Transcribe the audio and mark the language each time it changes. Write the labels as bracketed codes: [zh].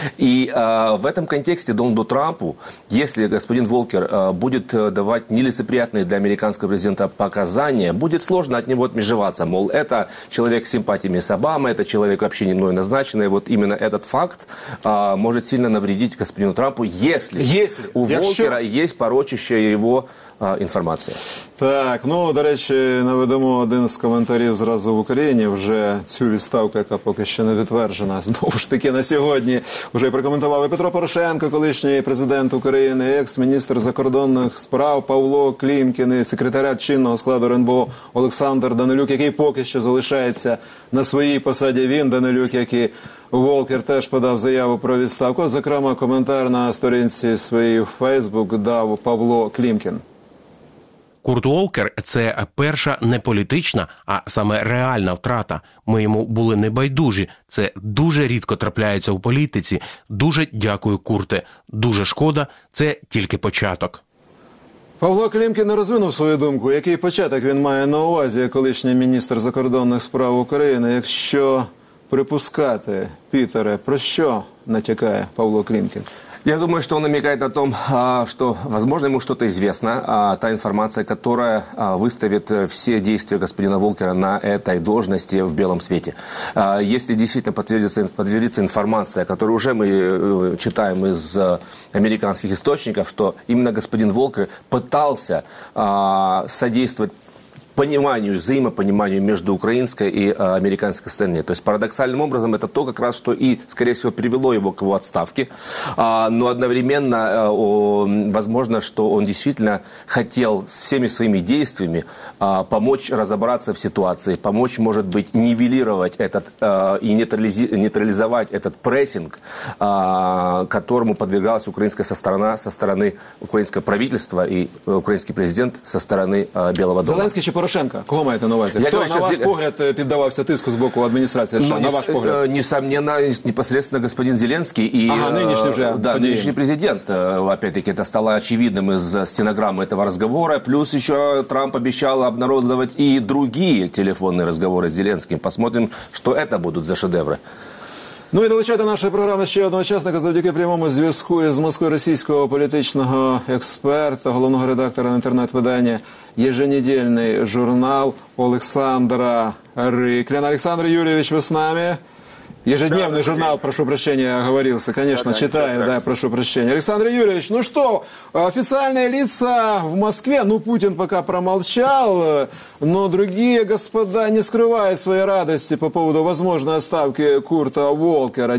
[ru] И в этом контексте Дональду Трампу, если господин Волкер будет давать нелицеприятные для американского президента показания, будет сложно от него отмежеваться, мол, это человек с симпатиями с Обамой, это человек вообще не мной назначенный. Вот именно этот факт может сильно навредить господину Трампу, если у Волкера есть порочащая его [uk] інформація. Так, ну, до речі, наведемо один з коментарів зразу в Україні, вже цю відставку, яка поки ще не відтверджена, знову ж таки, на сьогодні, вже й прокоментував і Петро Порошенко, колишній президент України, екс-міністр закордонних справ Павло Клімкін, секретарят чинного складу РНБО Олександр Данилюк, який поки що залишається на своїй посаді. Він, Данилюк, як і Волкер, теж подав заяву про відставку. Зокрема, коментар на сторінці своїй в Facebook дав Павло Клімкін. Курт Волкер – це перша не політична, а саме реальна втрата. Ми йому були небайдужі. Це дуже рідко трапляється у політиці. Дуже дякую, Курте. Дуже шкода. Це тільки початок. Павло Клімкін не розвинув свою думку. Який початок він має на увазі, колишній міністр закордонних справ України, якщо припускати, Пітере, про що натякає Павло Клімкін? [ru] Я думаю, что он намекает о том, что, возможно, ему что-то известно, та информация, которая выставит все действия господина Волкера на этой должности в белом свете. Если действительно подтвердится информация, которую уже мы читаем из американских источников, что именно господин Волкер пытался содействовать пониманию, взаимопониманию между украинской и американской стороной. То есть парадоксальным образом это то, как раз, что и, скорее всего, привело его к его отставке. Но одновременно возможно, что он действительно хотел всеми своими действиями помочь разобраться в ситуации, помочь, может быть, нивелировать этот и нейтрализовать этот прессинг, которому подвергалась украинская сторона, со стороны украинского правительства и украинский президент со стороны Белого дома. [uk] Зеленский чи Порошенко? Кого маєте на увазі? Хто, на ваш погляд, піддавався тиску з боку адміністрації? Що, на ваш погляд? [ru] Несомненно, непосредственно господин Зеленский і... Ага, нынешний вже. Да, нынешний президент. Опять-таки, это стало очевидным из стенограммы этого разговора. Плюс еще Трамп обещал обнародовать и другие телефонные разговоры с Зеленским. Посмотрим, что это будут за шедевры. [uk] Ну і долучайте до нашої програми ще одного учасника завдяки прямому зв'язку із Москвою російського політичного експерта, головного редактора інтернет-видання «Єженедільний журнал» Олександра Рикляна. Олександр Юрійович, ви з нами? [ru] Ежедневный журнал, прошу прощения, я оговорился, конечно, читаю, да, прошу прощения. Александр Юрьевич, ну что, официальные лица в Москве, ну Путин пока промолчал, но другие господа не скрывают своей радости по поводу возможной отставки Курта Уолкера.